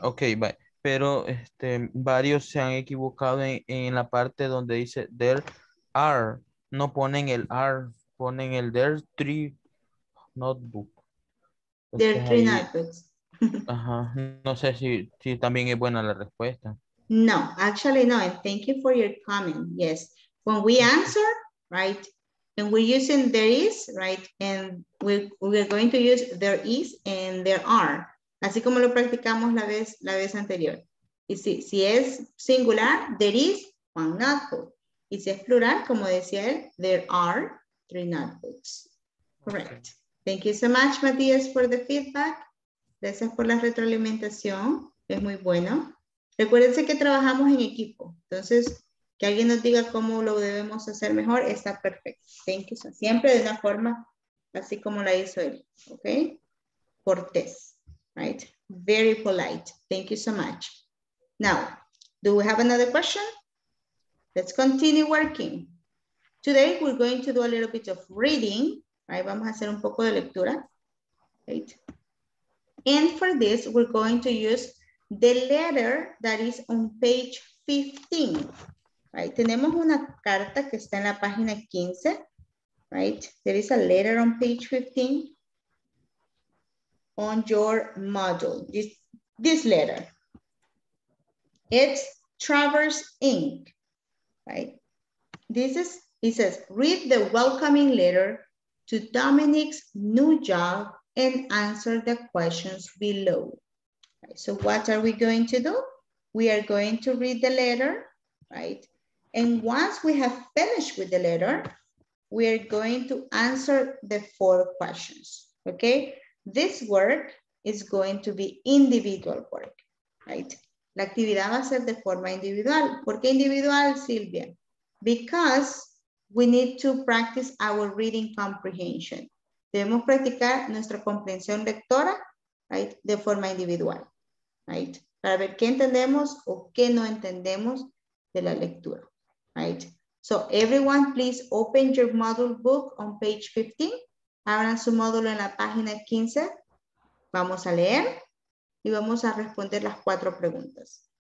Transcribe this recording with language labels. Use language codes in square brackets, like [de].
[en] Okay, bye. [es] Pero varios se han equivocado en la parte donde dice there are, no ponen el are, ponen el there 3 notebook. [en] There are 3 notebooks. [es] Ajá. No sé si también es buena la respuesta. [en] No, actually no. Thank you for your comment. Yes. When we answer, right, and we're using there is, right, and we're going to use there is and there are. [es] Así como lo practicamos la vez anterior. Y si es singular, [en] there is one notebook. [es] Y si es plural, como decía él, [en] there are 3 notebooks. Correct. Okay. Thank you so much, Matías, for the feedback. [es] Gracias por la retroalimentación. Es muy bueno. Recuérdense que trabajamos en equipo. Entonces, que alguien nos diga cómo lo debemos hacer mejor, está perfecto. [en] Thank you. [es] Siempre de una forma así como la hizo él. [en] Ok. [es] Cortés. [en] Right. Very polite. Thank you so much. Now, do we have another question? Let's continue working. Today, we're going to do a little bit of reading. Right, [es] vamos a hacer un poco de lectura. [en] Right. And for this, we're going to use the letter that is on page 15. Right. [es] Tenemos una carta que está en la página 15. [en] Right. There is a letter on page 15 on your module. This letter. It's Traverse Inc. Right. It says, read the welcoming letter to Dominic's new job and answer the questions below. Right. So what are we going to do? We are going to read the letter, right? And once we have finished with the letter, we are going to answer the 4 questions, okay? This work is going to be individual work, right? [es] La actividad va a ser de forma individual. ¿Por qué individual, Silvia? [en] Because we need to practice our reading comprehension. [es] Debemos practicar nuestra comprensión lectora, [en] right, [es] de forma individual, right? Para ver qué entendemos o qué no entendemos de la lectura, [en] right? So everyone, please open your module book on page 15. [es] Abran su módulo en la página 15. Vamos a leer y vamos a responder las 4 preguntas.